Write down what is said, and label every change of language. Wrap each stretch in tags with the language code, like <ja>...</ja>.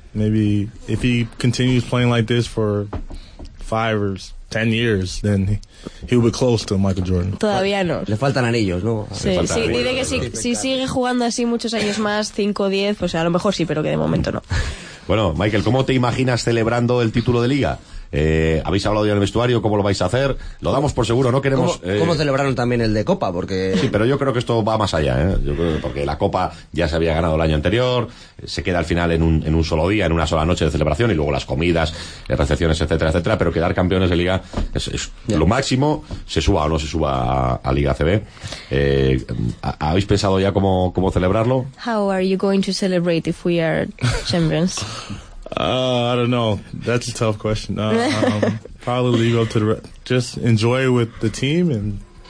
<en>Maybe if he continues playing like this for 5 or 10 years, then he'll be close to Michael Jordan.</en> <es>Todavía no. Le faltan anillos, ¿no? Sí, dice que si sigue jugando así muchos años más, 5 o 10, pues a lo mejor sí, pero que de momento no. Bueno, Michael, ¿cómo te imaginas celebrando el título de Liga? ¿Habéis hablado ya en el vestuario? ¿Cómo lo vais a hacer? Lo damos por seguro, no queremos... ¿Cómo celebraron también el de Copa? Porque... Sí, pero yo creo que esto va más allá, ¿eh? Yo creo que porque la Copa ya se había ganado el año anterior, se queda al final en un solo día, en una sola noche de celebración, y luego las comidas, recepciones, etcétera, etcétera, pero quedar campeones de Liga es lo máximo, se suba o no se suba a Liga ACB. ¿Habéis pensado ya cómo celebrarlo?</es> <en>How are you going to celebrate if we are champions? I don't know. That's a tough question. Probably leave up to the just enjoy with the team and.</en>